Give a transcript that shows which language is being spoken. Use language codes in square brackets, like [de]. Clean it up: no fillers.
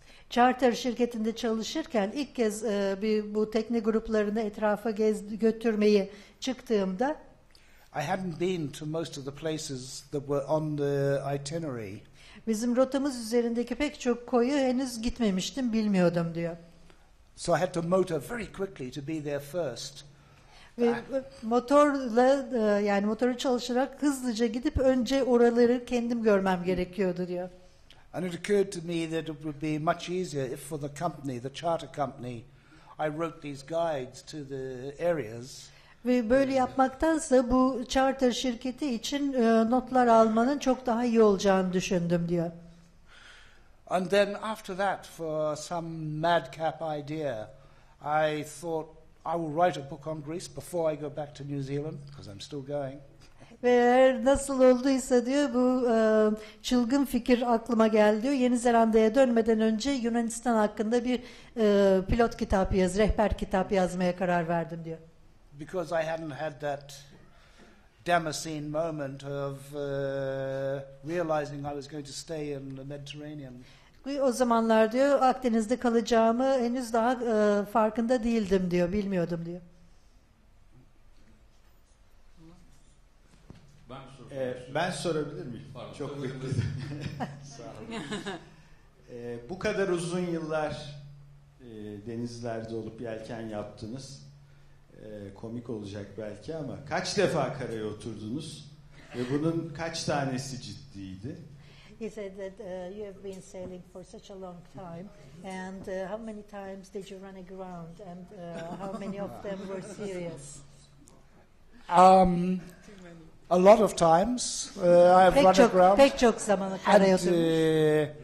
[tr] Charter şirketinde çalışırken ilk kez bu tekne gruplarını etrafa götürmeyi çıktığımda, [en] I hadn't been to most of the places that were on the itinerary. [tr] Bizim rotamız üzerindeki pek çok koyu henüz gitmemiştim, bilmiyordum diyor. [en] So I had to motor very quickly to be there first. [tr] Motorla yani motoru çalışarak hızlıca gidip önce oraları kendim görmem gerekiyordu diyor. [en] And it occurred to me that it would be much easier if for the company, the charter company, I wrote these guides to the areas. [tr] Ve böyle yapmaktansa bu charter şirketi için notlar almanın çok daha iyi olacağını düşündüm diyor. [en] And then after that, for some madcap idea, I thought I will write a book on Greece before I go back to New Zealand because I'm still going. [tr] Eğer nasıl olduysa diyor bu çılgın fikir aklıma geldi diyor. Yeni Zelanda'ya dönmeden önce Yunanistan hakkında bir pilot kitap yaz, rehber kitap yazmaya karar verdim diyor. [en] Because I hadn't had that Damascene moment of realizing I was going to stay in the Mediterranean. [tr] O zamanlar diyor Akdeniz'de kalacağımı henüz daha farkında değildim diyor, bilmiyordum diyor. Ben sorabilir miyim? Pardon, çok bekledim. Sağ olun. Bu kadar uzun yıllar denizlerde olup yelken yaptınız. Komik olacak belki ama kaç defa karaya oturdunuz ve bunun kaç tanesi ciddiydi? [en] He said that you have been sailing for such a long time and how many times did you run aground and how many of them were serious? A lot of times I've run aground. [tr] Pek çok zaman karaya oturmuş.